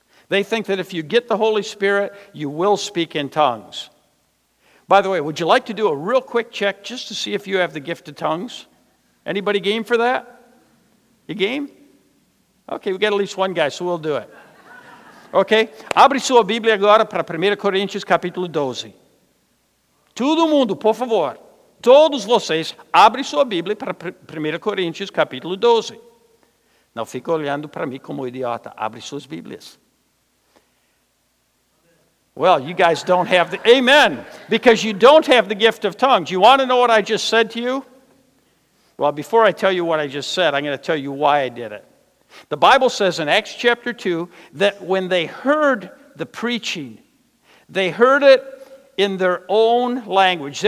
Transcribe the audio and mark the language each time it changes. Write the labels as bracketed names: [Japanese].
[English] They think that if you get the Holy Spirit, you will speak in tongues. By the way, would you like to do a real quick check just to see if you have the gift of tongues? Anybody game for that? You game? Okay, we got at least one guy, so we'll do it. Okay? [Portuguese] Abre sua Bíblia agora para 1 Coríntios, capítulo 12. Todo mundo, por favor, todos vocês, abre sua Bíblia para 1 Coríntios, capítulo 12. Não fica olhando para mim como idiota. Abre suas Bíblias. [English] Well, you guys don't have the... Amen! Because you don't have the gift of tongues. You want to know what I just said to you? Well, before I tell you what I just said, I'm going to tell you why I did it. The Bible says in Acts chapter 2 that when they heard the preaching, they heard it in their own language.